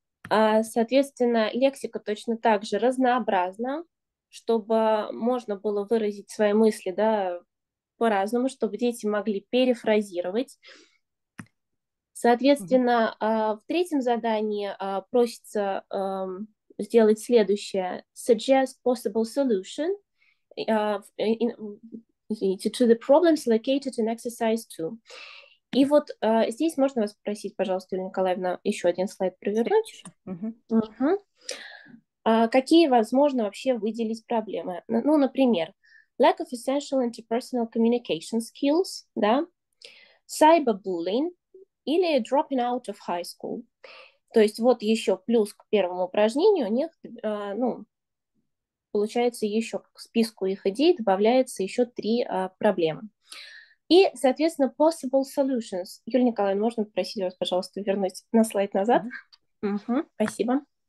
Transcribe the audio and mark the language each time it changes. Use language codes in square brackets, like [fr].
[ru] Соответственно, лексика точно так же разнообразна, чтобы можно было выразить свои мысли, да, по-разному, чтобы дети могли перефразировать. Соответственно, в третьем задании просится сделать следующее. [en] Suggest possible solution in to the problems located in exercise 2. [ru] И вот здесь можно вас спросить, пожалуйста, Юлия Николаевна, еще один слайд провернуть. Какие, возможно, вообще выделить проблемы? Ну, например, [en] lack of essential interpersonal communication skills, да, cyberbullying или dropping out of high school. [ru] То есть вот еще плюс к первому упражнению, у них, ну, получается, еще к списку их идей добавляется еще три проблемы. И, соответственно, [en] possible solutions. [ru] Юлия Николаевна, можно попросить вас, пожалуйста, вернуть на слайд назад? Спасибо.